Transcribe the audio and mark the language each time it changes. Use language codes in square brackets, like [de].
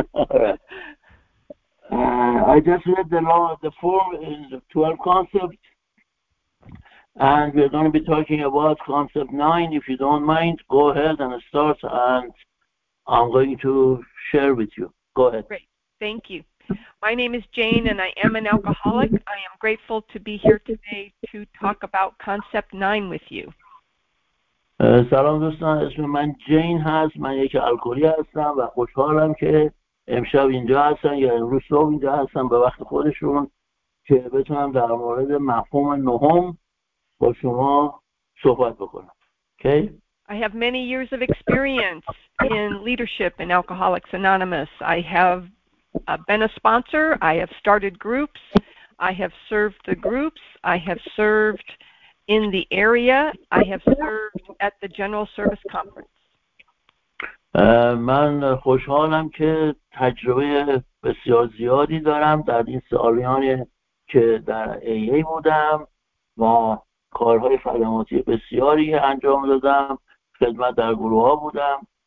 [en] I just read the law of the form in the 12 concepts, and we're going to be talking about concept 9. If you don't mind, go ahead and start, and I'm going to share with you. Go ahead. Great. Thank you. My name is Jane, and I am an alcoholic. I am grateful to be here today to talk about concept 9 with you. [fa] سلام دوستان، اسم من جین هست، من یک الکلی هستم و خوشحالم که امشب اینجا هستم یا امروز صبح اینجا هستم به وقت خودشون که بتونم در مورد مفهوم نهم با شما صحبت بکنم. [en] Okay. I have many years of experience in leadership in Alcoholics Anonymous. I have been a sponsor, I have started groups, I have served the groups, I have served in the area, I have served at the General Service Conference. [fa] من خوشحالم که تجربه بسیار زیادی دارم در این سالیانی که در AA بودم و کارهای خدماتی بسیاری انجام دادم، خدمت در گروه ها بودم،